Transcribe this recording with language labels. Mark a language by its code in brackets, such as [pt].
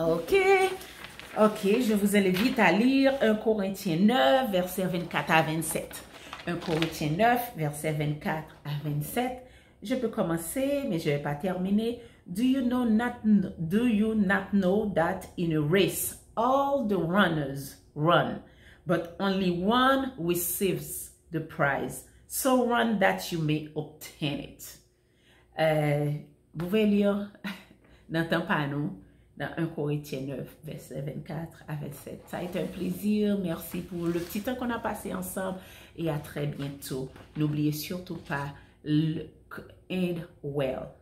[fr] OK, je vous invite à lire 1 Corinthiens 9, versets 24 à 27. 1 Corinthiens 9, versets 24 à 27. Je peux commencer, mais je ne vais pas terminer. [en] Do you not know that in a race, all the runners run, but only one receives the prize? So run that you may obtain it. [fr] Vous pouvez lire dans ton panneau. Dans 1 Corinthiens 9, versets 24 à 27. Ça a été un plaisir. Merci pour le petit temps qu'on a passé ensemble et à très bientôt. N'oubliez surtout pas, [en] look and well.